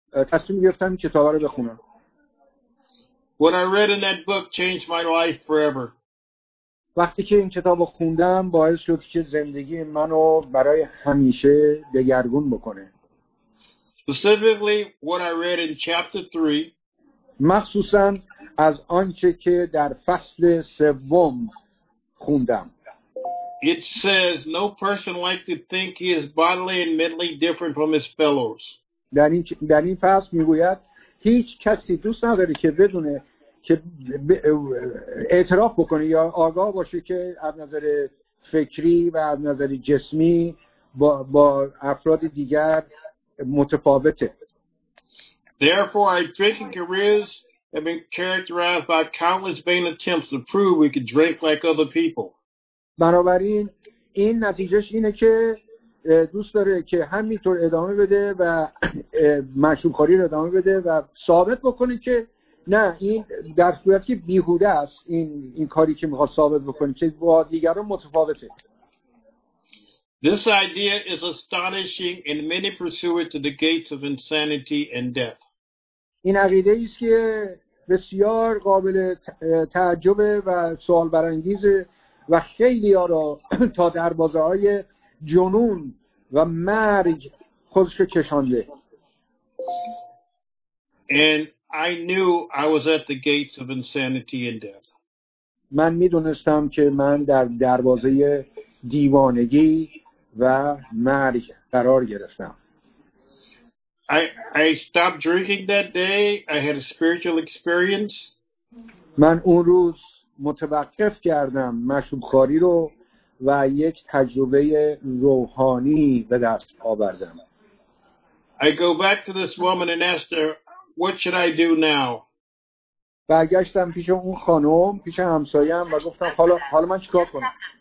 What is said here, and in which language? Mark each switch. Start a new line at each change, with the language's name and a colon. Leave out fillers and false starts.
Persian: تصمیم گرفتم این کتاب رو بخونم.
English: What I read in that book changed my life forever.
Persian: وقتی که این کتاب رو خوندم باعث شد که زندگی منو برای همیشه دگرگون بکنه.
English: Specifically what I read in chapter 3.
Persian: مخصوصا از آنچه که در فصل سوم خوندم.
English: It says no person like to think he is bodily and mentally different from his fellows.
Persian: در این فصل میگوید هیچ کسی دوست نداره که بدونه که اعتراف بکنه یا آگاه باشه که از نظر فکری و از نظر جسمی با افراد دیگر متفاوته.
English: Therefore our drinking careers have been characterized by countless vain attempts to prove we could drink like other people.
Persian: بنابراین این نتیجهش اینه که دوست داره که همینطور ادامه بده و مشروب خوری رو ادامه بده و ثابت بکنه که نه، این در صورت که بیهوده است، این کاری که میخواد ثابت بکنه چه با دیگران متفاوته.
English: This idea is astonishing and many pursue it to the gates of insanity and death.
Persian: این عقیده ایست که بسیار قابل تعجب و سوال برانگیز و خیلی ها را تا دروازه های جنون و مرگ خودش رو کشانده.
English: And I knew I was at the gates of insanity and death.
Persian: من میدونستم که من در دروازه دیوانگی و مرگ قرار گرفتم.
English: I stopped drinking that day. I had a spiritual experience.
Persian: من اون روز متوقف کردم مشروب خواری رو و یک تجربه روحانی به دست آوردم.
English: I go back to this woman and asked her, "What should I do now?"
Persian: برگشتم پیش اون خانم، پیش همسایه‌ام و گفتم حالا من چیکار کنم؟